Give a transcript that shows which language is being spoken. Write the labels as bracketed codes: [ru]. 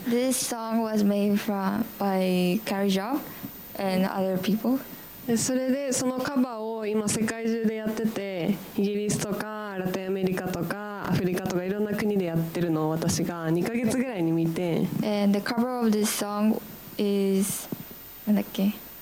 [en] This song was made from, by Carrie Job and other people。 [ja] でそれでそのカバーを今世界中でやってて、イギリスとかラテンアメリカとかアフリカとかいろんな国でやってるのを私が2ヶ月ぐらいに見て、 [en] And the cover of this song is [ja] なんだっけ、